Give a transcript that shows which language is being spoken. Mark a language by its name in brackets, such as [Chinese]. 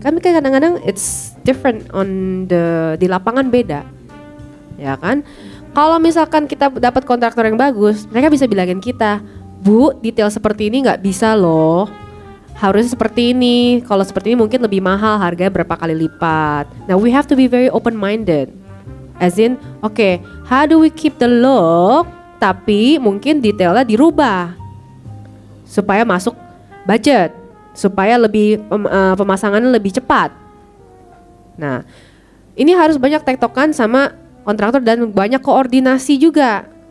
[Indonesian] Kan kadang-kadang [English] it's different on the [Indonesian] di lapangan beda. Ya kan? Kalau misalkan kita dapat kontraktor yang bagus, mereka bisa bilangin kita, Bu, detail seperti ini nggak bisa loh. Harusnya seperti ini. Kalau seperti ini mungkin lebih mahal, harganya berapa kali lipat. [English] Now we have to be very open minded. As in, okay, how do we keep the look? [Indonesian] Tapi mungkin detailnya dirubah supaya masuk budget, supaya lebih pemasangannya lebih cepat. Nah, ini harus banyak tektokan sama kontraktor dan banyak koordinasi juga.